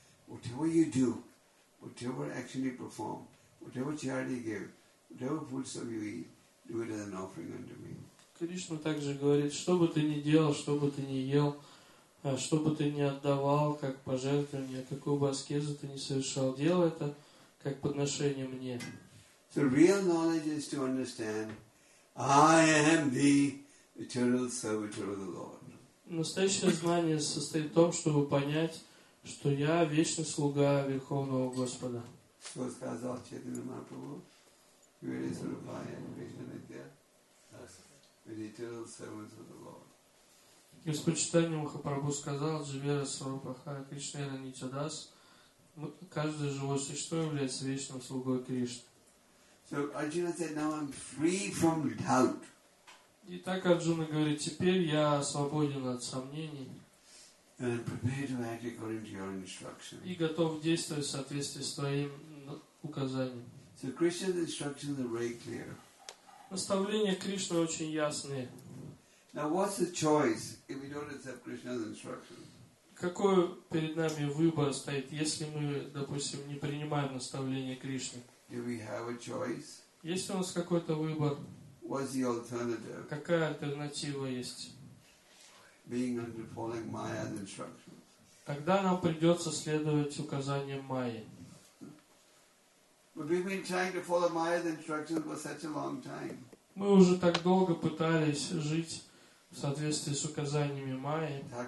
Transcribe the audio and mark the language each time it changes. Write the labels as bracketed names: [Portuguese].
[English] Whatever you do, whatever action you perform, whatever charity you give, whatever foodstuff you eat, do it as an offering unto me. [Russian] Кришна также говорит, что бы ты ни делал, что бы ты ни ел, что бы ты ни отдавал, как пожертвование, какую бы аскезу ты ни совершал, делай это как подношение мне. [English] So real knowledge is to understand, I am the eternal servitor of the Lord. [Russian] Настоящее знание состоит в том, чтобы понять, что я вечный слуга Верховного Господа. [English] So [Russian] сказал [English] Чайтанья Махапрабху, you are the eternal servant of the Lord. [Russian] Господь Чайтанья Махапрабху сказал, [Bangla] Дживера Сварупаха, Кришна Ира Нитядас, [Russian] каждое живое существо является вечным слугой Кришны. [English] So Arjuna said, now I'm free from doubt. [Russian] И так Арджуна говорит, теперь я свободен от сомнений. [English] And I'm prepared to act according to your instructions. [Russian] И готов действовать в соответствии с твоим указанием. [English] So Krishna's instructions are very clear. [Russian] Наставления Кришны очень ясные. [English] Now what's the choice if we don't accept Krishna's instructions? [Russian] Какой перед нами выбор стоит, если мы, допустим, не принимаем наставления Кришны? [English] Do we have a choice? [Russian] Есть у нас какой-то выбор? [English] What's the alternative? [Russian] Какая альтернатива есть? [English] Being under falling Maya's instructions. [Russian] Тогда нам придется следовать указаниям Майи. [English] But we've been trying to follow Maya's instructions for such a long time. [Russian] Мы уже так долго пытались жить в соответствии с указаниями Майи.